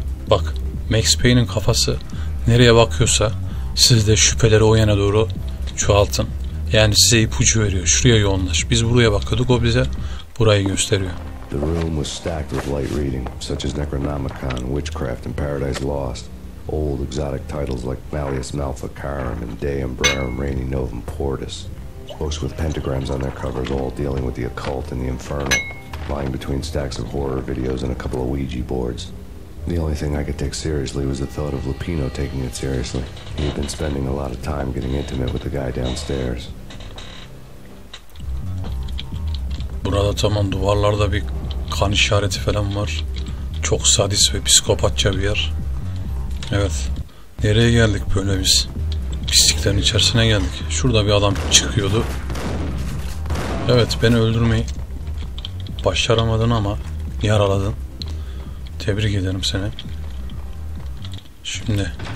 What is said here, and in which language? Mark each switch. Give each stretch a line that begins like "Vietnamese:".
Turkish: Bak, Max Payne'in kafası nereye bakıyorsa siz de şüpheleri o yana doğru çoğaltın. Yani size ipucu veriyor. Şuraya yoğunlaş. Biz buraya bakıyorduk, o bize burayı gösteriyor.
English: The room was stacked with light reading, such as Necronomicon, Witchcraft and Paradise Lost. Old exotic titles like Malleus Maleficarum and De Umbrarum Reini Novum Portus. Books with pentagrams on their covers, all dealing with the occult and the infernal. Lying between stacks of horror videos and a couple of Ouija boards. The only thing I could take seriously was the thought of Lupino taking it seriously. He had been spending a lot of time getting intimate with the guy downstairs.
Turkish: Burada tamam, duvarlarda bir kan işareti falan var. Çok sadist ve psikopatça bir yer. Evet. Nereye geldik böyle biz? Pisliklerin içerisine geldik. Şurada bir adam çıkıyordu. Evet, beni öldürmeyi başaramadın ama yaraladın. Tebrik ederim seni. Şimdi.